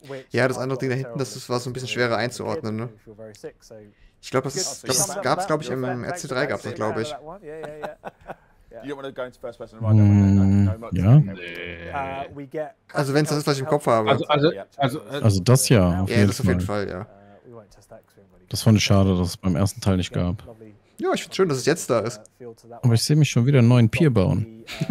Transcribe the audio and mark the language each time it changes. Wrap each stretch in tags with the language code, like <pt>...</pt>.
<de>Ja, das andere Ding da hinten, das war so ein bisschen schwerer einzuordnen, ne? Ich glaube, das gab's im RC3, gab's das, glaube ich.</de> <en>Yeah. You don't want to go into first person right now. Yeah. We get.</en> <de>Also, wenn es das ist, was ich im Kopf habe. Also das ja. Auf jeden Fall, ja. Das fand ich schade, dass es beim ersten Teil nicht gab. Ja, ich finde schön, dass es jetzt da ist. Aber ich sehe mich schon wieder einen neuen Pier bauen.</de>